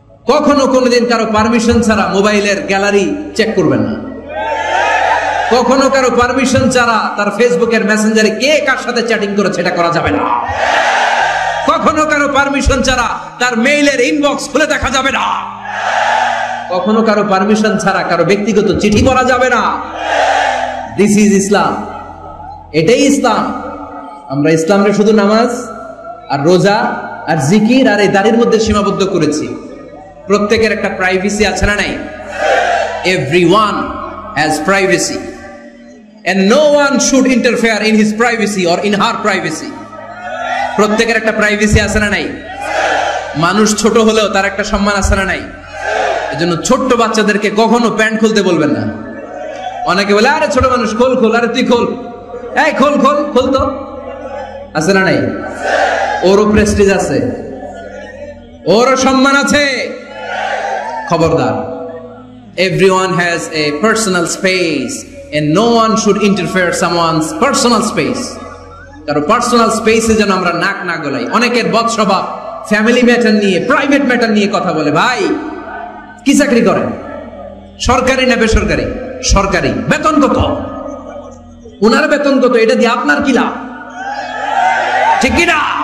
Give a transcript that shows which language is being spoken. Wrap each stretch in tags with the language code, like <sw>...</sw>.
<bn>কখনো কোনোদিন কারো পারমিশন ছাড়া মোবাইলের গ্যালারি চেক করবেন না, কখনো কারো পারমিশন ছাড়া তার ফেসবুকের মেসেঞ্জারে কে কার সাথে চ্যাটিং করেছে এটা করা যাবে না, কখনো কারো পারমিশন ছাড়া তার মেইলের ইনবক্স খুলে দেখা যাবে না, কখনো কারো পারমিশন ছাড়া কারো ব্যক্তিগত চিঠি পড়া যাবে না।</bn> <en>this is Islam,</en> <bn>এটাই ইসলাম। আমরা ইসলামে শুধু নামাজ আর রোজা আর জিকির আর ইদারির মধ্যে সীমাবদ্ধ করেছি। প্রত্যেকের একটা প্রাইভেসি আছে না নাই?</bn> <en>Everyone has privacy and no one should interfere in his privacy or in her privacy.</en> <bn>প্রত্যেকের একটা প্রাইভেসি আছে না নাই? মানুষ ছোট হলেও তার একটা সম্মান আছে না নাই? এজন্য ছোট বাচ্চাদেরকে কখনো প্যান্ট খুলতে বলবেন না। অনেকে বলে আরে ছোট মানুষ খোল খোল, আরে তুই খোল, এই খোল খোল খোল তো, আছে না নাই? ওরও প্রেস্টিজ আছে, ওরও সম্মান আছে, খবরদার।</bn> <en>Everyone has a personal space and no one should interfere someone's personal space.</en> <bn>কারো পার্সোনাল স্পেসে যেন আমরা নাক না গলাই। অনেকের বদস্বভাব ফ্যামিলি ম্যাটার নিয়ে, প্রাইভেট ম্যাটার নিয়ে কথা বলে। ভাই কি চাকরি করেন, সরকারি না বেসরকারি? সরকারি। বেতন কত ওনার? বেতন কত? এটা দিয়ে আপনার কি লাভ, ঠিক কিনা?</bn>